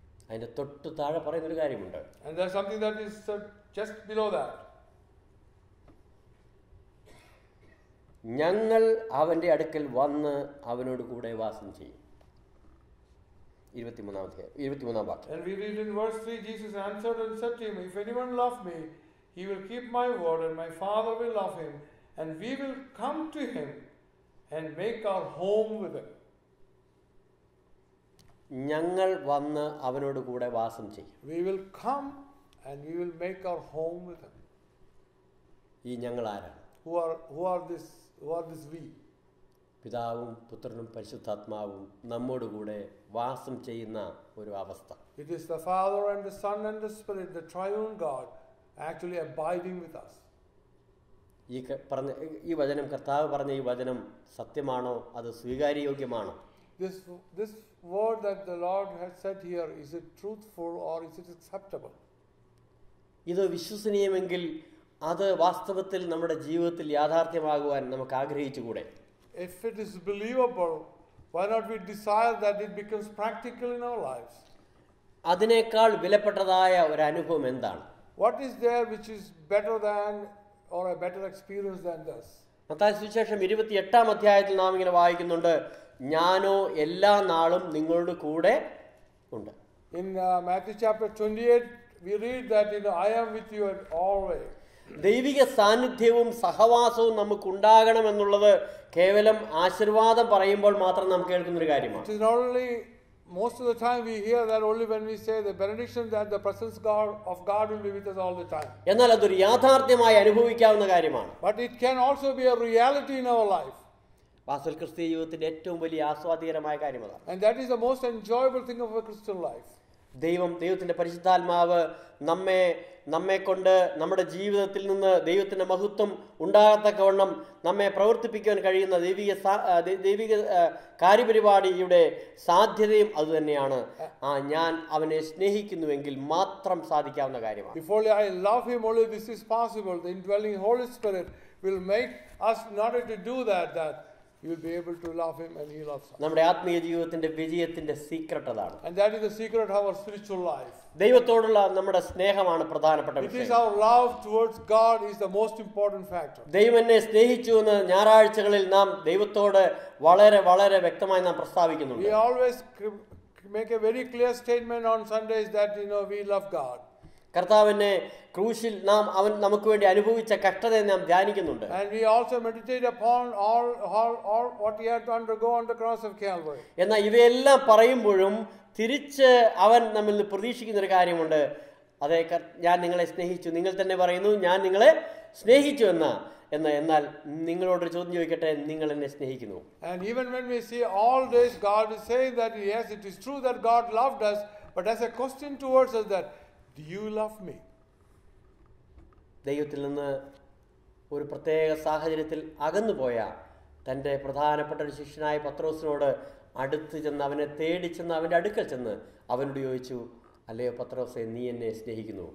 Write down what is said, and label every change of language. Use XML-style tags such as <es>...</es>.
<ml>അതിന്റെ തൊട്ട് താഴെ പറയുന്ന ഒരു കാര്യമുണ്ട്.</ml> <en>And there's something that is just below that.</en> <ml>ഞങ്ങൾ അവന്റെ അടുക്കൽ വന്ന് അവനോട് കൂടെ വാസം ചെയ്യും. 23rd വാക്യം.</ml> <en>And we read in verse 3, Jesus answered and said to him, If anyone love me, he will keep my word, and my father will love him, and we will come to him and make our home with him.</en> <ml>ഞങ്ങൾ വന്ന് അവനോട് കൂടെ വാസം ചെയ്യും.</ml> <en>We will come and we will make our home with him.</en> <ml>ഈ ഞങ്ങൾ ആരാണ്?</ml> <en>Who are this we?</en> <ml>പിതാവും പുത്രനും പരിശുദ്ധാത്മാവും നമ്മോട് കൂടെ വാസം ചെയ്യുന്ന ഒരു അവസ്ഥ.</ml> <en>It is the Father and the Son and the Spirit, the triune God, actually abiding with us.</en> <ml>ഈ വചനം കർത്താവ് പറഞ്ഞ ഈ വചനം സത്യമാണോ അത് സ്വീകാര്യയോഗ്യമാണോ?</ml> <en>This word that the Lord has said here, is it truthful or is it acceptable?</en> <ml>ഇത് വിശ്വസനീയമെങ്കിൽ അത് വാസ്തവത്തിൽ നമ്മുടെ ജീവിതത്തിൽ യാഥാർത്ഥ്യമാകുവാൻ നമുക്ക് ആഗ്രഹിച്ചുകൂടെ?</ml> <en>If it is believable, why not we desire that it becomes practical in our lives?</en> <ml>അതിനേക്കാൾ വിലപ്പെട്ടതായ ഒരു അനുഭവം എന്താണ്?</ml> <en>What is there which is better than or a better experience than this?</en> <ml>Mathai സുവിശേഷം 28th അധ്യായത്തിൽ നാം ഇങ്ങനെ വായിക്കുന്നുണ്ട് ഞാനോ എല്ലാ നാളും നിങ്ങളുടെ കൂടെ ഉണ്ട്.</ml> <en>In Matthew chapter 28 we read that you know I am with you at always.</en> <ml>ദൈവിക സാന്നിധ്യവും സഹവാസവും നമുക്ക് ഉണ്ടാകണം എന്നുള്ളത് കേവലം ആശീർവാദം പറയുമ്പോൾ മാത്രം നമുക്ക് കേൾക്കുന്ന ഒരു കാര്യമാണ്.</ml> <en>It is not only most of the time we hear that only when we say the benediction that the presence of God will be with us all the time.</en> <ml>എന്നാൽ അതൊരു യാഥാർത്ഥ്യമായി അനുഭവിക്കാവുന്ന കാര്യമാണ്.</ml> <en>But it can also be a reality in our life.</en> <ml>വാസ്തവത്തിൽ ക്രിസ്തീയ ജീവിതത്തിന്റെ ഏറ്റവും വലിയ ആസ്വാദ്യകരമായ കാര്യമാണ്.</ml> <en>And that is the most enjoyable thing of a Christian life.</en> <ml>ദൈവത്തിന്റെ പരിശുദ്ധാത്മാവ് നമ്മെ കൊണ്ട് നമ്മുടെ ജീവിതത്തിൽ നിന്ന് ദൈവത്തിന്റെ മഹത്വം ഉണ്ടാകത്തക്കവണ്ണം നമ്മെ പ്രവർത്തിപ്പിക്കാൻ കഴിയുന്ന ദൈവിക കാര്യപരിപാടിയുടെ സാധ്യതയും അതുതന്നെയാണ്. ആ ഞാൻ അവനെ സ്നേഹിക്കുന്നുവെങ്കിൽ മാത്രം സാധിക്കാവുന്ന കാര്യമാണ്.</ml> <en>If only I love him, only this is possible. The indwelling Holy Spirit will make us not only to do that will be able to love him and he loves us.</en> <ml>നമ്മുടെ ആത്മീയ ജീവിതത്തിന്റെ വിജയത്തിന്റെ secret അതാണ്.</ml> <en>And that is the secret of our spiritual life.</en> <ml>ദൈവത്തോടുള്ള നമ്മുടെ സ്നേഹമാണ് പ്രധാനപ്പെട്ട വിഷയം.</ml> <en>It is our love towards God is the most important factor.</en> <ml>ദൈവനെ സ്നേഹിച്ചു എന്ന് ഞായറാഴ്ചകളിൽ നാം ദൈവത്തോട് വളരെ വളരെ വ്യക്തമായി നാം പ്രസ്താവിക്കുന്നുണ്ട്.</ml> <en>We always make a very clear statement on Sundays that you know we love God.</en> <ml>കർത്താവിനെ ക്രൂശിൽ നാം അവൻ നമുക്ക് വേണ്ടി അനുഭവിച്ച കഷ്ടതയെ നാം ധ്യാനിക്കുന്നുണ്ട്.</ml> <en>And we also meditate upon all what he had to undergo on the cross of Calvary.</en> <ml>എന്നാൽ ഇവയെല്ലാം പറയുമ്പോഴും തിരിച്ച് അവൻ നമ്മിൽ നിന്ന് പ്രതീക്ഷിക്കുന്ന ഒരു കാര്യമുണ്ട്. അതെ, ഞാൻ നിങ്ങളെ സ്നേഹിച്ചു, നിങ്ങൾ തന്നെ പറയുന്നു ഞാൻ നിങ്ങളെ സ്നേഹിച്ചു എന്നാൽ നിങ്ങളോട് ചോദ്യം ചോദിക്കട്ടെ, നിങ്ങൾ എന്നെ സ്നേഹിക്കുന്നു?</ml> <en>And even when we see all this, God is saying that yes, it is true that God loved us, but as a question towards us that do you love me?</en> <ml>ദൈവത്തിൽ നിന്ന് ഒരു പ്രത്യേക സാഹചര്യത്തിൽ അകന്നു പോയ തന്റെ പ്രധാനപ്പെട്ട ഒരു ശിഷ്യനായ പത്രോസിനോട് അടുത്ത് ചെന്ന്, അവനെ തേടി ചെന്ന്, അവന്റെ അടുക്കൽ ചെന്ന് അവനോട് ചോദിച്ചു, അല്ലയോ പത്രോസേ, നീ എന്നെ സ്നേഹിക്കുന്നു?</ml>